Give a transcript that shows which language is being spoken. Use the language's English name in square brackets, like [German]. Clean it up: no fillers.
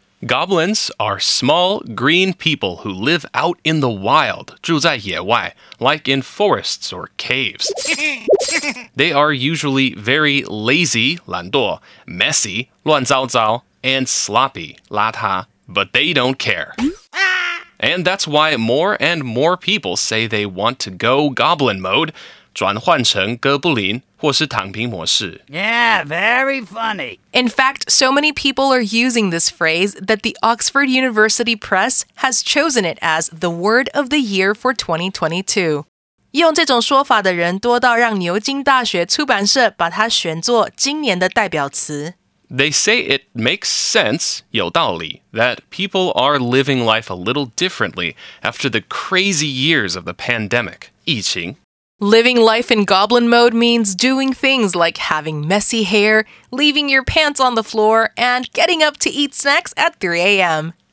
[English] Goblins are small, green people who live out in the wild, [Chinese] 住在野外, [English] like in forests or caves. They are usually very lazy, 懒惰, messy, 乱糟糟, and sloppy, 邋遢, but they don't care. And that's why more and more people say they want to go goblin mode, [Chinese] 转换成哥布林或是躺平模式。 [English] Yeah, very funny. In fact, so many people are using this phrase that the Oxford University Press has chosen it as the word of the year for 2022. [Chinese] 用这种说法的人多到让牛津大学出版社把它选作今年的代表词。 [English] They say it makes sense, 有道理, that people are living life a little differently after the crazy years of the pandemic, 疫情。 Living life in goblin mode means doing things like having messy hair, leaving your pants on the floor, and getting up to eat snacks at 3 a.m.